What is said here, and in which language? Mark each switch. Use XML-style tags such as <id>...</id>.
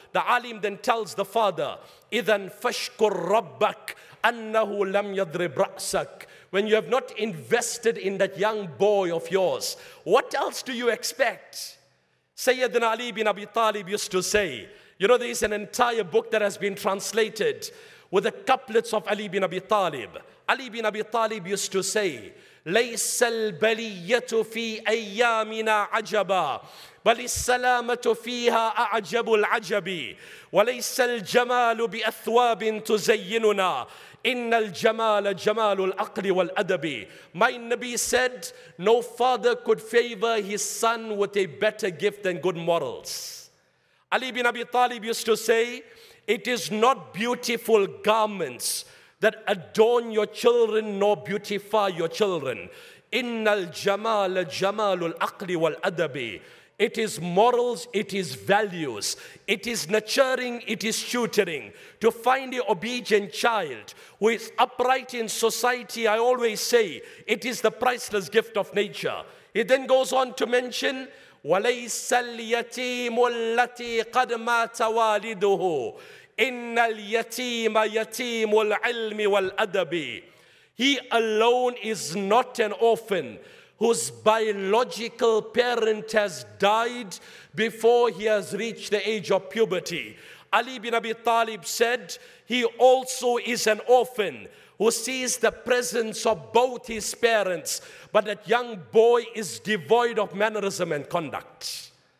<en>The alim then tells the father,</en> <ar>idhan fashkur rabbak annahu lam yadrib ra'sak.</ar> <en>When you have not invested in that young boy of yours, what else do you expect? Sayyidina Ali bin Abi Talib used to say, you know, there is an entire book that has been translated with the couplets of Ali bin Abi Talib. Ali bin Abi Talib used to say,</en> <ar>لَيْسَ الْبَلِيَّةُ فِي أَيَّامِنَا عَجَبًا بَلِ السَّلَامَةُ فِيهَا أَعْجَبُ الْعَجَبِ وَلَيْسَ الْجَمَالُ بِأَثْوَابٍ تُزَيِّنُنَا إِنَّ الْجَمَالَ جَمَالُ الْأَقْلِ وَالْأَدَبِ.</ar> <en>My Nabi said, no father could favor his son with a better gift than good morals. Ali bin Abi Talib used to say, it is not beautiful garments that adorn your children nor beautify your children.</en> <ar>Innal jamal jamalul aqli wal adabi.</ar> <en>It is morals, it is values, it is nurturing, it is tutoring. To find the obedient child who is upright in society, I always say, it is the priceless gift of nature. It then goes on to mention,</en> <ar>وَلَيْسَ الْيَتِيمُ الَّتِي قَدْ مَاتَ وَالِدُهُ إِنَّ الْيَتِيمَ يَتِيمُ الْعِلْمِ وَالْأَدَبِ.</ar> <en>He alone is not an orphan whose biological parent has died before he has reached the age of puberty. Ali bin Abi Talib said, he also is an orphan who sees the presence of both his parents, but that young boy is devoid of mannerism and conduct.</en>